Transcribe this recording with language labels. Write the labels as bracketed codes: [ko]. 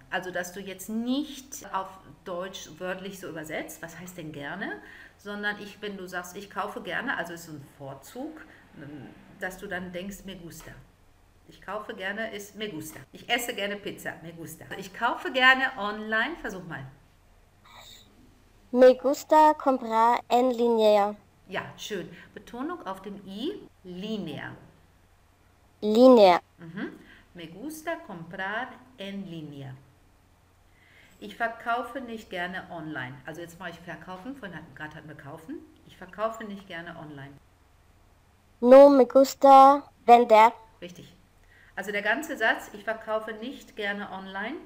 [de] Also, dass du jetzt nicht auf Deutsch wörtlich so übersetzt, was heißt denn gerne, sondern ich, wenn du sagst, ich kaufe gerne, also ist so ein Vorzug, dass du dann denkst, [es] me gusta. [de] Ich kaufe gerne, ist [es] me gusta. [de] Ich esse gerne Pizza, me gusta. Ich kaufe gerne online, versuch mal. [es] Me gusta comprar en línea. [de] Ja, schön. Betonung auf dem I, linear. [es] Línea. Me gusta comprar en línea. [de] Ich verkaufe nicht gerne online. Also jetzt mache ich verkaufen. Vorhin gerade hatten wir kaufen. Ich verkaufe nicht gerne online. [es] No me gusta vender. [de] Richtig. Also der ganze Satz, ich verkaufe nicht gerne online.